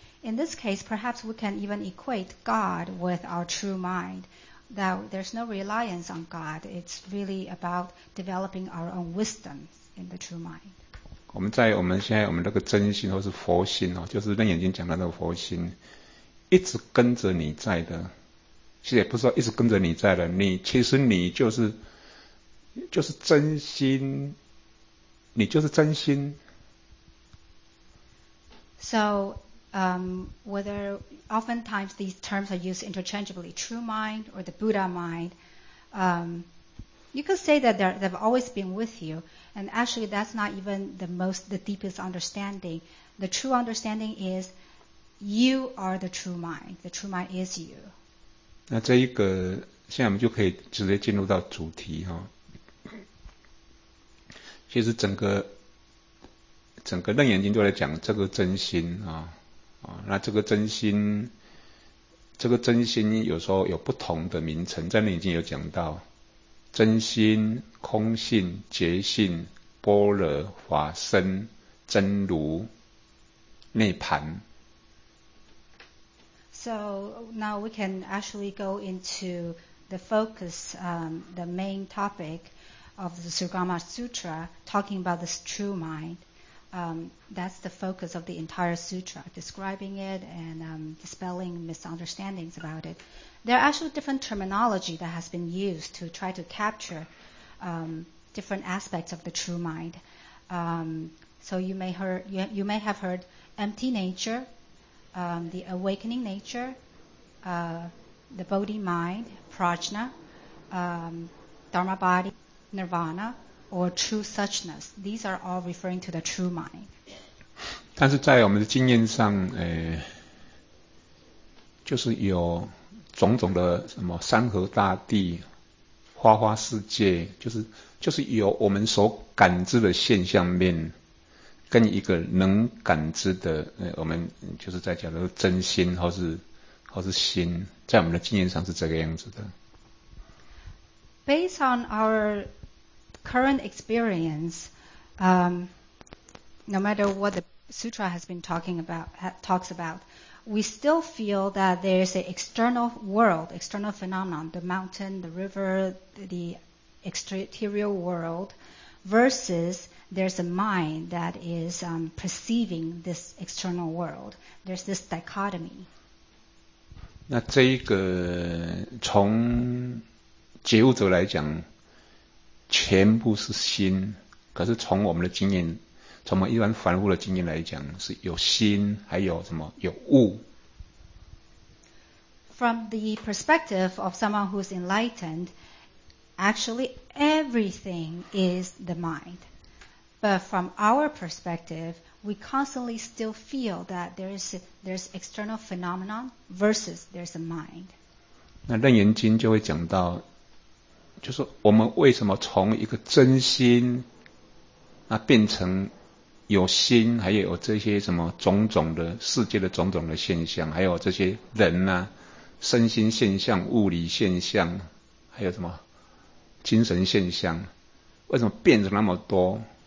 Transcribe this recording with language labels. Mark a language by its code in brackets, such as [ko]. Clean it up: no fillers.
[en] In this case, perhaps we can even equate God with our true mind, that there's no reliance on God. It's really about developing our own wisdom in the true mind. [zh] 我们在我们现在我们那个真心或是佛心、哦、就是楞严经讲的那个佛心一直跟着你在的，其实也不是说一直跟着你在的，你其实你就是真心，你就是真心。 [en] So whether oftentimes these terms are used interchangeably, true mind or the Buddha mind, you could say that they've always been with you. And actually, that's not even the deepest understanding. The true understanding is you are the true mind. The true mind is you. [zh] 那这一个，现在我们就可以直接进入到主题哈。其实整个楞严经都在讲这个真心啊，那这个真心有时候有不同的名称，在楞严经有讲到真心、空性、觉性、般若、法身、真如、涅槃。 [en] So now we can actually go into the focus, the main topic of the Sugama Sutra, talking about this true mind. That's the focus of the entire sutra, describing it and dispelling misunderstandings about it. There are actually different terminology that has been used to try to capture different aspects of the true mind. So you may have heard empty nature,the awakening nature, the Bodhi mind, prajna, dharma body, nirvana, or true suchness. These are all referring to the true mind. [zh] 但是在我们的经验上，就是有种种的什么山河大地、花花世界，就是有我们所感知的现象面。跟一个能感知的，我们就是在讲的真心或是心，在我们的经验上是这个样子的。 [en] Based on our current experience, no matter what the sutra has been talks about, we still feel that there is an external world, external phenomenon, the mountain, the river, the exterior world, versus. There's a mind that is perceiving this external world. There's this dichotomy. [zh] 那这一个从觉悟者来讲，全部是心。可是从我们的经验，从我们一般凡夫的经验来讲，是有心，还有什么有物。 [en] From the perspective of someone who's enlightened, actually everything is the mind. But from our perspective, we constantly still feel that there's external phenomenon versus there's a mind. [zh] 那楞严经就会讲到，就是我们为什么从一个真心，那变成有心，还有这些什么种种的世界的种种的现象，还有这些人啊，身心现象、物理现象，还有什么精神现象，为什么变成那么多？